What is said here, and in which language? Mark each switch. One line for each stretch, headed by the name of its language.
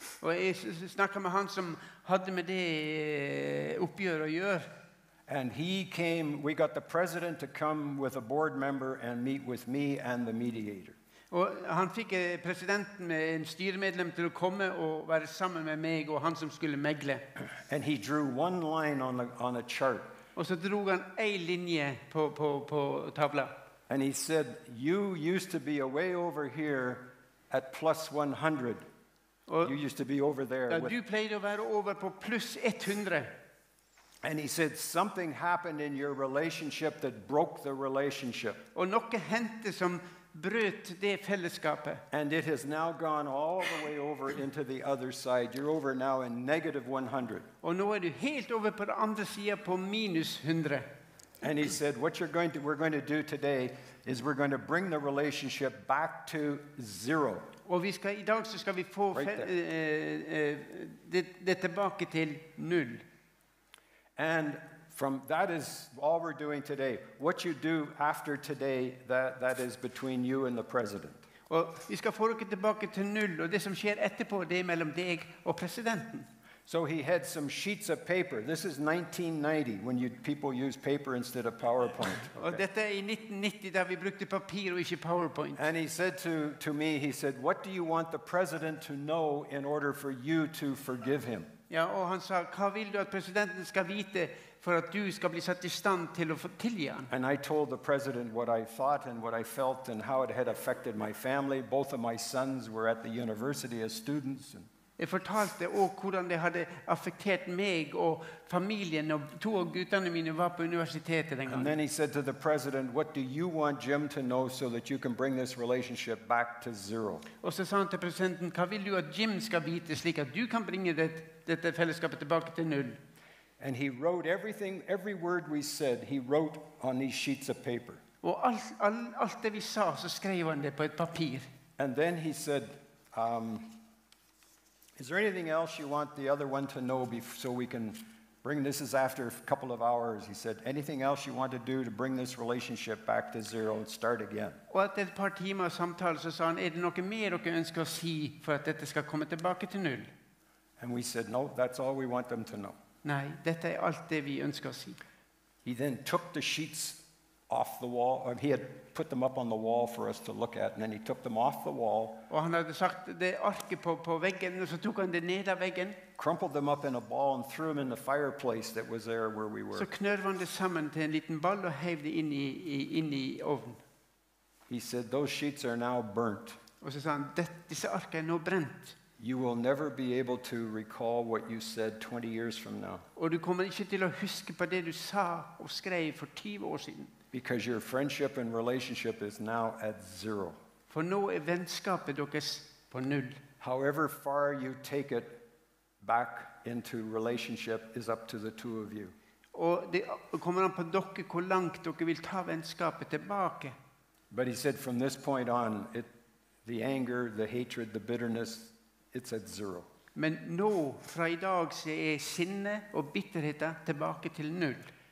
Norwegian: Og jeg snakket med han som hadde med det oppgjør å gjøre.
English: And he came, we got the president to come with a board member and meet with me and the mediator.
Norwegian: Og han fikk presidenten med en styremedlem til å komme og være sammen med meg og han som skulle megle.
English: And he drew one line on a chart.
Norwegian: Og så drog han en linje på tavla.
English: And he said, you used to be away over here at plus 100. You used to be over there.
Norwegian: Ja, du pleide å være over på plus 100.
English: And he said, something happened in your relationship that broke the relationship.
Norwegian: Og noe hendte som brøt det fellesskapet.
English: And it has now gone all the way over into the other side. You're over now in negative 100.
Norwegian: Og nå du helt over på den andre siden på minus 100.
English: And he said, what we're going to do today is we're going to bring the relationship back to zero.
Norwegian: Og vi skal, I dag så skal vi få det tilbake til null.
English: And from that is all we're doing today. What you do after today, that is between you and the president.
Norwegian: Og vi skal få dere tilbake til null, og det som skjer etterpå, det mellom deg og presidenten.
English: So he had some sheets of paper. This is 1990 when people use paper instead of PowerPoint.
Norwegian: Og dette I 1990 da vi brukte papir og ikke PowerPoint.
English: And he said to me, he said, what do you want the president to know in order for you to forgive him?
Norwegian: Ja, og han sa, hva vil du at presidenten skal vite
Swedish: för att du ska bli satt I stand till att få tillge han.
English: And I told the president what I thought and what I felt and how it had affected my family. Both of my sons were at the university as students.
Swedish: Jag fortalte och hur det hade affekterat mig och familjen och två gutarna mina var på universitetet den gången.
English: And then he said to the president, what do you want Jim to know so that you can bring this relationship back to zero?
Swedish: Och så sa han till presidenten, vad vill du att Jim ska veta så att du kan bringa detta fällskapet tillbaka till noll?
English: And he wrote everything, every word we said, he wrote on these sheets of paper.
Swedish: Och allt det vi sa så skrev han det på ett papper.
English: And then he said, is there anything else you want the other one to know so we can bring this is after a couple of hours he said anything else you want to do to bring this relationship back to zero and start again.
Swedish: Och efter ett par timmar samtal så sa han är det något mer du önskar se för att detta ska komma tillbaka till noll.
English: And we said no that's all we want them to know.
Swedish: Nej detta är allt det vi önskar se.
English: He then took the sheets off the wall and he had put them up on the wall for us to look at and then he took them off the wall.
Swedish: Och han hade sagt det arket på väggen och så tog han det ner av väggen.
English: Crumpled them up in a ball and threw them in the fireplace that was there where we were.
Swedish: Så knörde han det samman till en liten ball och hävde in i ovnen.
English: He said those sheets are now burnt.
Swedish: Och så sa han dessa ark är nu bränt.
English: You will never be able to recall what you said 20 years from now.
Swedish: Och du kommer inte till att huska på det du sa och skrev för 10 år sedan.
English: Because your friendship and relationship is now at zero.
Swedish: For no vänskapet dock är på noll.
English: However far you take it back into relationship is up to the two of you.
Swedish: Och det kommer an på dock hur långt dock vill ta vänskapet tillbaka.
English: But he said from this point on it the anger, the hatred, the bitterness it's at zero.
Swedish: Men nu från idag så är sinne och bitterheten tillbaka till noll.